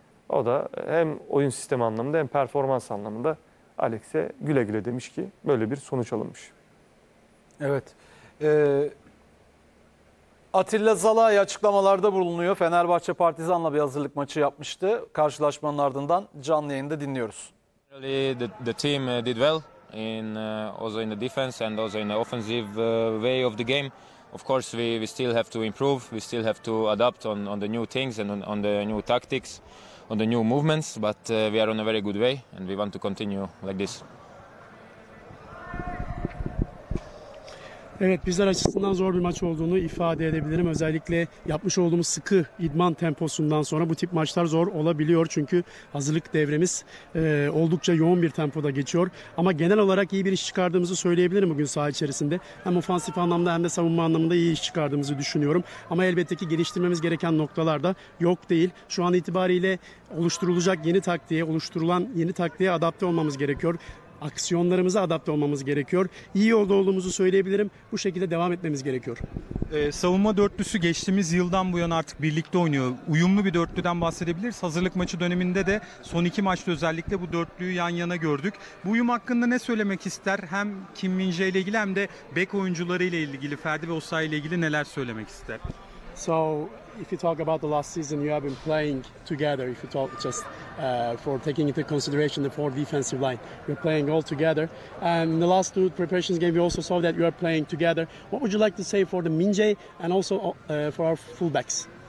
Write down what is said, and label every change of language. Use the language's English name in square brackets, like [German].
[Turkish] O da hem oyun sistemi anlamında hem performans anlamında Alex'e güle güle demiş ki böyle bir sonuç alınmış. Evet. Atilla Szalai açıklamalarda bulunuyor. Fenerbahçe Partizan'la bir hazırlık maçı yapmıştı. Karşılaşmanın ardından canlı yayında dinliyoruz. [English] The team did well in also in the defense and also in the offensive way of the game. Of course we still have to improve. We still have to adapt on the new things and on the new tactics, on the new movements, but we are on a very good way and we want to continue like this. [Turkish] Evet, bizler açısından zor bir maç olduğunu ifade edebilirim. Özellikle yapmış olduğumuz sıkı idman temposundan sonra bu tip maçlar zor olabiliyor. Çünkü hazırlık devremiz oldukça yoğun bir tempoda geçiyor. Ama genel olarak iyi bir iş çıkardığımızı söyleyebilirim bugün saha içerisinde. Hem ofansif anlamda hem de savunma anlamında iyi iş çıkardığımızı düşünüyorum. Ama elbette ki geliştirmemiz gereken noktalar da yok değil. Şu an itibariyle oluşturulan yeni taktiğe adapte olmamız gerekiyor. Aksiyonlarımıza adapte olmamız gerekiyor. İyi yolda olduğumuzu söyleyebilirim. Bu şekilde devam etmemiz gerekiyor. Savunma dörtlüsü geçtiğimiz yıldan bu yana artık birlikte oynuyor. Uyumlu bir dörtlüden bahsedebiliriz. Hazırlık maçı döneminde de son iki maçta özellikle bu dörtlüyü yan yana gördük. Bu uyum hakkında ne söylemek ister? Hem Kim Min-jae ile ilgili hem de bek oyuncuları ile ilgili, Ferdi ve Osayi ile ilgili neler söylemek ister? [English] So if you talk about the last season, you have been playing together. If you talk just for taking into consideration the four defensive line, you're playing all together. And in the last two preparations game, we also saw that you are playing together. What would you like to say for the Min-jae and also for our fullbacks?